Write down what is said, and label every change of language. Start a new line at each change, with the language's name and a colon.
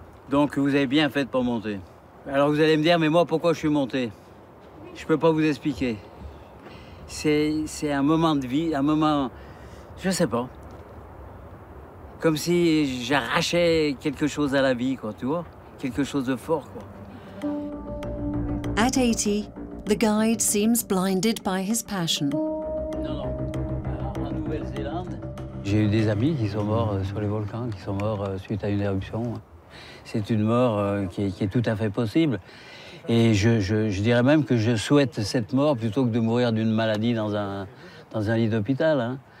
French: Donc vous avez bien fait pour monter. Alors vous allez me dire, mais moi, pourquoi je suis monté? Je peux pas vous expliquer. C'est un moment de vie, un moment... Je sais pas. Comme si j'arrachais quelque chose à la vie, quoi, tu vois? Quelque chose de fort, quoi.
English: At 80, the guide seems blinded by his passion.
French: Non, en Nouvelle-Zélande, j'ai eu des amis qui sont morts sur les volcans, qui sont morts suite à une éruption. C'est une mort qui est tout à fait possible. Et je dirais même que je souhaite cette mort plutôt que de mourir d'une maladie dans un lit d'hôpital. Hein.